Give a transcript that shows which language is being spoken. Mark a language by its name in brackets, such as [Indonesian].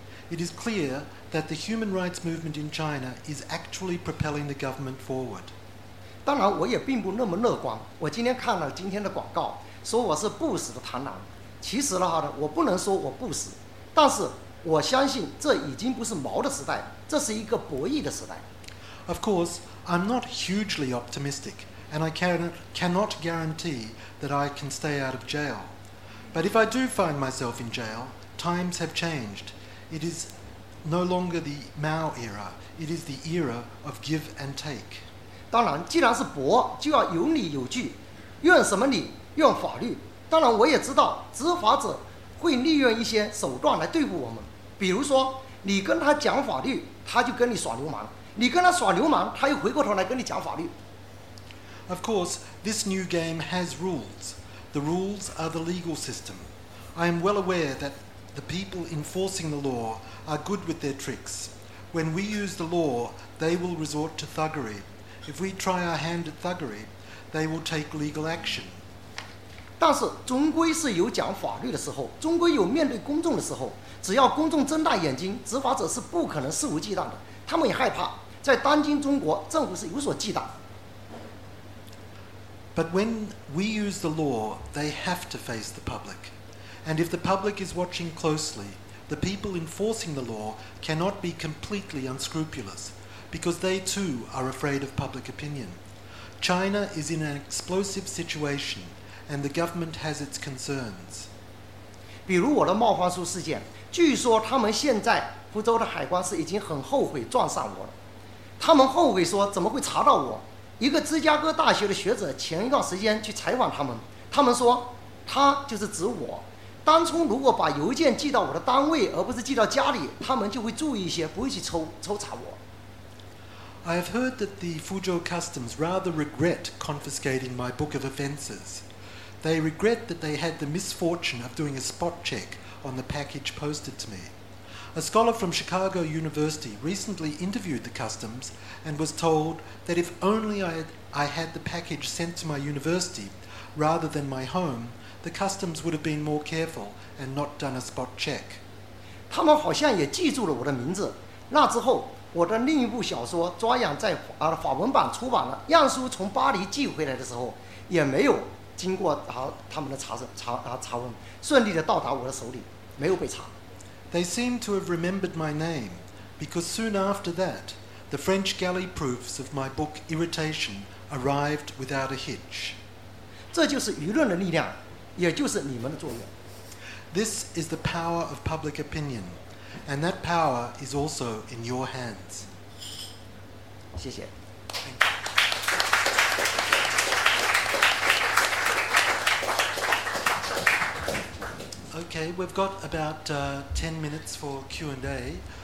[English] It is clear that the human rights movement in China is actually propelling the government forward. [Chinese] 当然我也并不那么乐观，我今天看了今天的广告，说我是不死的螳螂。其实的话呢，我不能说我不死。但是我相信这已经不是毛的时代，这是一个博弈的时代。 [English] Of course, I'm not hugely optimistic, and I cannot guarantee that I can stay out of jail. But if I do find myself in jail, times have changed. It is no longer the Mao era, it is the era of give and take. [Chinese] 当然，既然是博，就要有理有据，用什么理？用法律。当然，我也知道执法者会利用一些手段来对付我们，比如说你跟他讲法律，他就跟你耍流氓；你跟他耍流氓，他又回过头来跟你讲法律。 [English] Of course, this new game has rules. The rules are the legal system. I am well aware that the people enforcing the law are good with their tricks. When we use the law, they will resort to thuggery. If we try our hand at thuggery, they will take legal action. [Chinese] 但是终归是有讲法律的时候，终归有面对公众的时候。只要公众睁大眼睛，执法者是不可能肆无忌惮的。他们也害怕，在当今中国，政府是有所忌惮。 [English] But when we use the law, they have to face the public. And if the public is watching closely, the people enforcing the law cannot be completely unscrupulous, because they too are afraid of public opinion. China is in an explosive situation. And the government has its concerns. [Chinese] 比如我的冒方书事件，据说他们现在福州的海关是已经很后悔撞上我了。他们后悔说怎么会查到我？一个芝加哥大学的学者前一段时间去采访他们，他们说他就是指我。当初如果把邮件寄到我的单位，而不是寄到家里，他们就会注意一些，不会去抽查我。 [English] I have heard that the Fuzhou Customs rather regret confiscating my book of offences. They regret that they had the misfortune of doing a spot check on the package posted to me. A scholar from Chicago University recently interviewed the customs and was told that if only I had the package sent to my university rather than my home, the customs would have been more careful and not done a spot check. [Chinese] 他们好像也记住了我的名字。那之后，我的另一部小说《抓痒》在法文版出版了。样书从巴黎寄回来的时候，也没有。经过他们的查问，顺利地到达我的手里，没有被查。 [English] They seem to have remembered my name, because soon after that, the French galley proofs of my book Irritation arrived without a hitch. [Chinese] 这就是舆论的力量，也就是你们的作用。 [English] This is the power of public opinion, and that power is also in your hands. [Chinese] 谢谢。 [English] Okay, we've got about 10 minutes for Q&A.